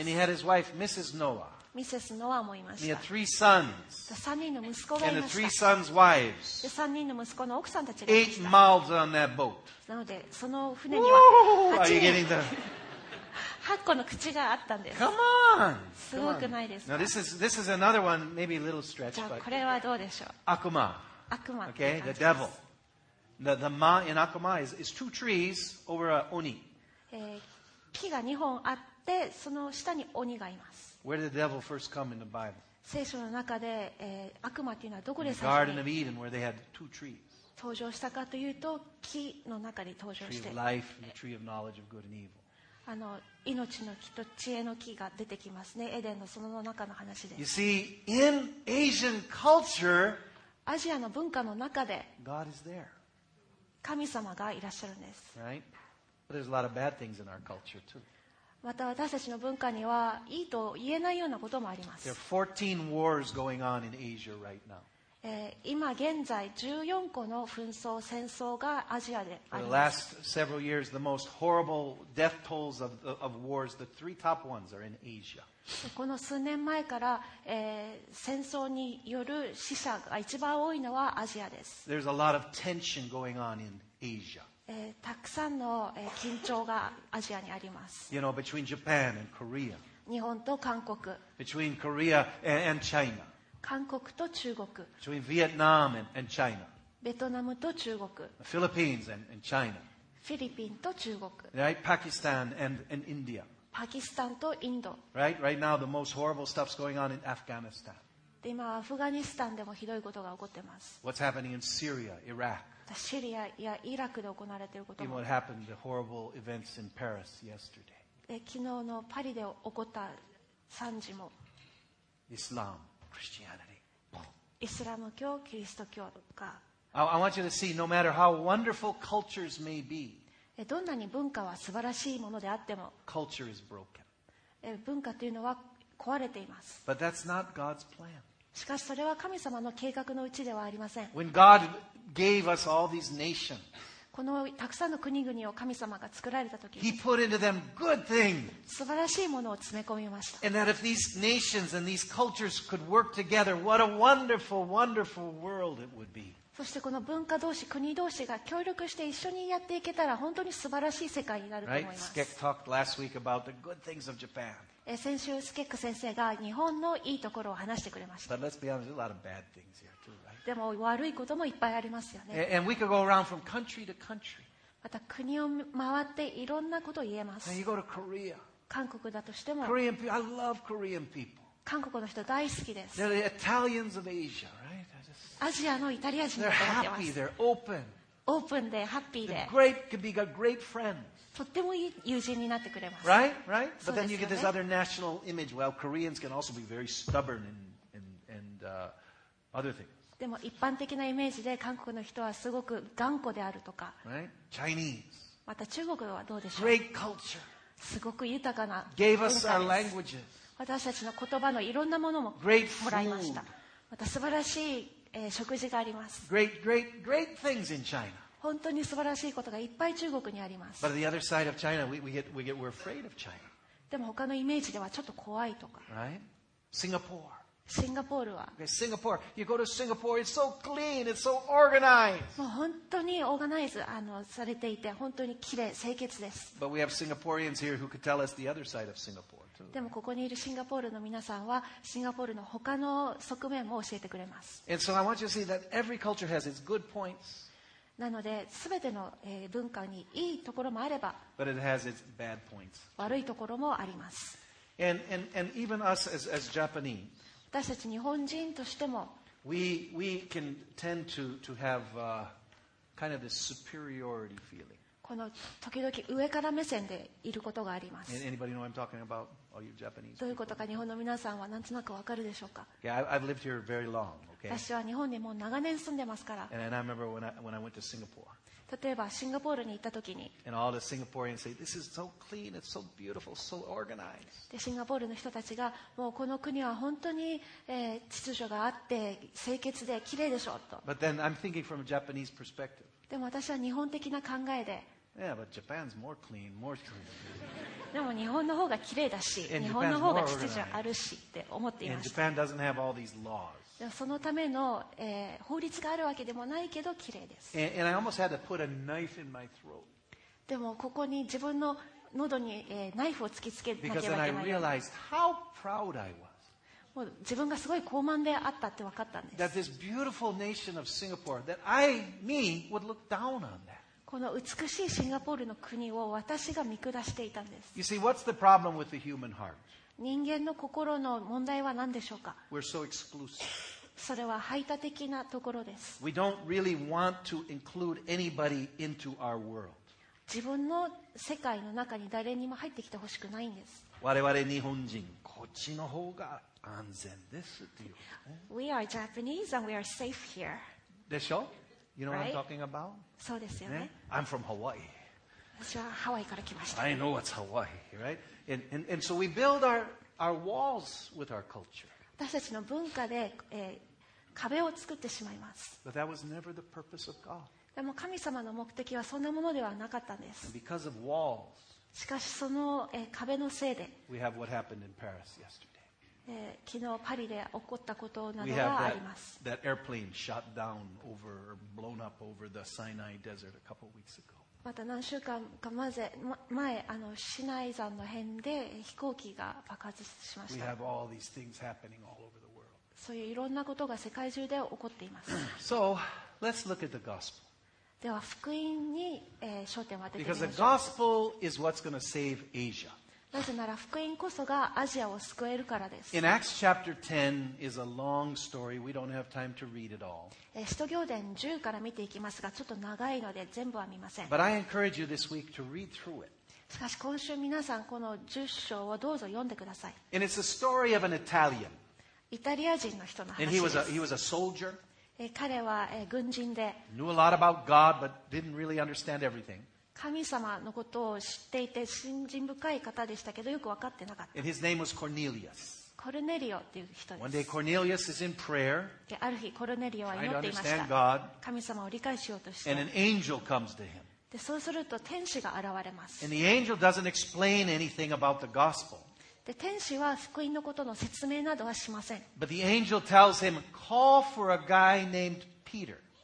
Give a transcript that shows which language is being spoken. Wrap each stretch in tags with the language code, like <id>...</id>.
<en>And he had his wife, Mrs. Noah.</en> <ja>ミセス・ノアもいました。</ja> <en>He had three sons.</en> <ja>3人の息子がいました。</ja> <en>And the three sons' wives.</en> <ja>で、3人の息子の奥さんたちがいました。</ja> <en>Eight mouths on that boat.</en> <ja>なので、その船には 8人。</ja> <en>Are you getting the...</en> <ja>8個の口があったんです。</ja> <en>Come on!</en> <ja>すごくないですか。</ja> <en>Now this is another one, maybe a little stretch, but...</en> <ja>じゃあこれはどうでしょう。悪魔。悪魔って感じです。</ja> <en>Okay, the devil. The ma in Akuma is two trees over a oni.</en> <ja>木が2本あって、その下に鬼がいます。</ja> <en>Where did the devil first come in the Bible?</en> <ja>聖書の中で、悪魔というのはどこで最初に</ja> <en>Garden of Eden, where they had two trees.</en> <ja>登場したかというと、木の中に登場して</ja> <en>Tree of life and the tree of knowledge of good and evil.</en> <ja>あの、命の木と知恵の木が出てきますね。エデンの園の中の話です。</ja> <en>You see, in Asian culture,</en> <ja>アジアの文化の中で</ja> <en>God is there.</en> <ja>神様がいらっしゃるんです。</ja> <en>Right? But there's a lot of bad things in our culture too.</en> <ja>また私たちの文化にはいいと言えないようなこともあります。</ja> <en>There are 14 wars going on in Asia right now.</en> <ja>今現在14個の紛争、戦争がアジアであります。</ja> <en>For the last several years, the most horrible death tolls of wars, the three top ones are in Asia.</en> <ja>この数年前から、戦争による死者が一番多いのはアジアです。</ja> <en>There's a lot of tension going on in Asia.</en> <ja>たくさんの、緊張がアジアにあります。</ja> <en>You know, between Japan and Korea.</en> <ja>日本と韓国。</ja> <en>Between Korea and China.</en> <ja>韓国と中国。</ja> <en>Between Vietnam and China.</en> <ja>ベトナムと中国。</ja> <en>Philippines and China.</en> <ja>フィリピンと中国。</ja> <en>Right? Pakistan and India.</en> <ja>パキスタンとインド。</ja> <en>Right? Right now the most horrible stuff's going on in Afghanistan.</en> <ja>で、今アフガニスタンでもひどいことが起こってます。</ja> <en>What's happening in Syria, Iraq?</en> <ja>シリアやイラクで行われていることも</ja> <en>what happened, the horrible events in Paris yesterday.</en> <ja>昨日のパリで起こった惨事もイスラム、クリスチャニティイスラム教、キリスト教とか</ja> <en>I want you to see, no matter how wonderful cultures may be,</en> <ja>どんなに文化は素晴らしいものであっても</ja> <en>culture is broken.</en> <ja>文化というのは壊れています</ja> <en>But that's not God's plan.</en> <ja>しかしそれは神様の計画のうちではありません</ja> <en>When God gave us all these nations.</en> <ja>このたくさんの国々を神様が作られた時に、</ja> <en>He put into them good things.</en> <ja>素晴らしいものを詰め込みました。</ja> <en>And that if these nations and these cultures could work together, what a wonderful, wonderful world it would be.</en> <ja>そしてこの文化同士、国同士が協力して一緒にやっていけたら、本当に素晴らしい世界になると思います。</ja> <en>Right? Skek talked last week about the good things of Japan.</en> <ja>先週スケック先生が日本のいいところを話してくれました。</ja> <en>But let's be honest, there's a lot of bad things here too, right?</en> <ja>でも悪いこともいっぱいありますよね。</ja> <en>And we could go around from country to country.</en> <ja>また国を回っていろんなことを言えます。</ja> <en>And you go to Korea.</en> <ja>韓国だとしても。</ja> <en>Korean people, I love Korean people.</en> <ja>韓国の人大好きです。</ja> <en>They're the Italians of Asia, right?</en> <ja>アジアのイタリア人だと思ってます。</ja> <en>They're happy, they're open.</en> <ja>オープンでハッピーで。</ja> <en>They're great, could be a great friend.</en> <ja>とってもいい友人になってくれます。</ja> <en>Right, right. But then you get this other national image. Well, Koreans can also be very stubborn and other things.</en> <ja>でも一般的なイメージで韓国の人はすごく頑固であるとか、</ja> <en>right? Chinese.</en> <ja>また中国はどうでしょう</ja> <en>Great culture.</en> <ja>すごく豊かな</ja> <en>Gave us our languages.</en> <ja>私たちの言葉のいろんなものももらいました</ja> <en>food.</en> <ja>また素晴らしい、食事があります</ja> <en>great, great, great things in China.</en> <ja>本当に素晴らしいことがいっぱい中国にあります</ja> <en>But the other side of China, we're afraid of China.</en> <ja>でも他のイメージではちょっと怖いとか、</ja> <en>right? Singapore.</en> <ja>シンガポールは。</ja> <en>Okay, Singapore. You go to Singapore, it's so clean, it's so organized.</en> <ja>もう本当にオーガナイズされていて、本当に綺麗、清潔です。</ja> <en>But we have Singaporeans here who could tell us the other side of Singapore too.</en> <ja>でもここにいるシンガポールの皆さんは、シンガポールの他の側面も教えてくれます。</ja> <en>And so I want you to see that every culture has its good points.</en> <ja>なので、すべての文化にいいところもあれば、</ja> <en>But it has its bad points.</en> <ja>悪いところもあります。</ja> <en>And even us as Japanese,</en> <ja>私たち日本人としても</ja> <en>we can tend to have kind of this superiority feeling.</en> <ja>この時々上から目線でいることがあります。</ja> <en>Anybody know what I'm talking about? All you Japanese</en> <ja>どういうことか日本の皆さんはなんとなくわかるでしょうか</ja> <en>Yeah, I've lived here very long, okay?</en> <ja>私は日本にもう長年住んでますから。</ja> <en>And I remember when I went to Singapore.</en> <ja>例えばシンガポールに行った時に。</ja> <en>And all the Singaporeans say, this is so clean, it's so beautiful, so organized.</en> <ja>で、シンガポールの人たちが、もうこの国は本当に、秩序があって、清潔で、綺麗でしょうと。</ja> <en>But then I'm thinking from a Japanese perspective.</en> <ja>でも私は日本的な考えで。</ja> <en>Yeah, but Japan's more clean, more clean.</en> <ja>でも日本の方が綺麗だし、日本の方が秩序あるしって思っていました。</ja> <en>And Japan doesn't have all these laws.</en> <ja>そのための、法律があるわけでもないけど綺麗です。</ja> <en>And I almost had to put a knife in my throat.</en> <ja>でもここに自分の喉に、ナイフを突きつけなければいけない。</ja> <en>Because I realized how proud I was.</en> <ja>もう自分がすごい高慢であったって分かったんです。</ja> <en>That this beautiful nation of Singapore, that I, me, would look down on that.</en> <ja>この美しいシンガポールの国を私が見下していたんです。</ja> <en>You see, what's the problem with the human heart?</en> <ja>人間の心の問題は何でしょうか</ja> <en>We're so exclusive.</en> <ja>それは排他的なところです。</ja> <en>We don't really want to include anybody into our world.</en> <ja>自分の世界の中に誰にも入ってきてほしくないんです。我々日本人、こっちの方が安全ですっていう。</ja> <en>We are Japanese and we are safe here.</en> <ja>でしょ</ja> <en>You know what I'm talking about?</en> <ja>そうですよね。</ja> <en>I'm from Hawaii.</en> <ja>私はハワイから来ました。</ja> <en>I know what's Hawaii, right? And so we build our walls with our culture.</en> <ja>私たちの文化で、壁を作ってしまいます。</ja> <en>But that was never the purpose of God.</en> <ja>でも神様の目的はそんなものではなかったんです。</ja> <en>And because of walls,</en> <ja>しかしその、壁のせいで、</ja> <en>we have what happened in Paris yesterday.</en> <ja>昨日パリで起こったことなどがあります。</ja> <en>That airplane shot down over, blown up over the Sinai Desert a couple weeks ago.</en> <ja>また何週間か前あのシナイ山の辺で飛行機が爆発しました。</ja> <en>We have all these things happening all over the world.</en> <ja>そういういろんなことが世界中で起こっています。</ja> <en>So, let's look at the gospel.</en> <ja>では福音に、焦点を当ててみましょう。</ja> <en>Because the gospel is what's going to save Asia.</en> <ja>なぜなら福音こそがアジアを救えるからです。</ja> <en>In Acts chapter 10 is a long story. We don't have time to read it all.</en> <ja>使徒行伝10から見ていきますが、ちょっと長いので全部は見ません。</ja> <en>But I encourage you this week to read through it.</en> <ja>しかし今週皆さんこの10章をどうぞ読んでください。</ja> <en>And it's a story of an Italian.</en> <ja>イタリア人の人の話です。</ja> <en>And he was a soldier.</en> <ja>彼は軍人で。</ja> <en>Knew a lot about God, but didn't really understand everything.</en> <ja>神様のことを知っていて信心深い方でしたけどよく分かってなかった。</ja> <en>And his name was Cornelius.</en> <ja>コルネリオっていう人です。</ja> <en>One day Cornelius is in prayer,</en> <ja>ある日コルネリオは祈っていました。</ja> <en>Trying to understand God,</en> <ja>神様を理解しようとして。</ja> <en>And an angel comes to him.</en> <ja>でそうすると天使が現れます。</ja> <en>And the angel doesn't explain anything about the gospel.</en> <ja>で天使は福音のことの説明などはしません。</ja> <en>But the angel tells him, call for a guy named Peter.</en>